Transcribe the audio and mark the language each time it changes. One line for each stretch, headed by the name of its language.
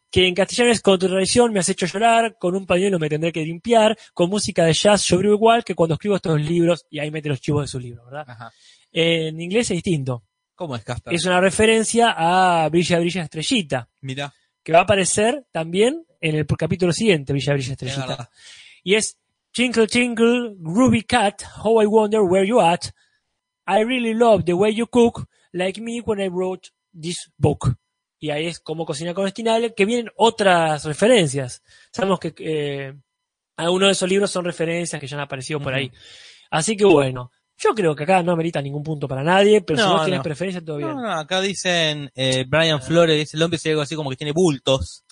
Spanish: Que en castellano es, con tu traición me has hecho llorar, con un pañuelo me tendré que limpiar, con música de jazz yo vivo igual que cuando escribo estos libros, y ahí mete los chivos de su libro, ¿verdad? Ajá. En inglés es distinto. ¿Cómo es, Casper? Es una referencia a Brilla, Brilla, Estrellita. Mirá. Que va a aparecer también en el capítulo siguiente, Brilla, Brilla, Estrellita.
English: Y es, Tinkle, tinkle, groovy cat, how I wonder where you at. I really love the way you cook, like me when I wrote this book.
Spanish: Y ahí es como cocina con Stinale, que vienen otras referencias. Sabemos que algunos de esos libros son referencias que ya han aparecido por ahí. Así que bueno, yo creo que acá no amerita ningún punto para nadie, pero si vos tienes preferencia, todo bien. No, acá dicen, Brian Flores, dice, el hombre dice algo así como que tiene bultos.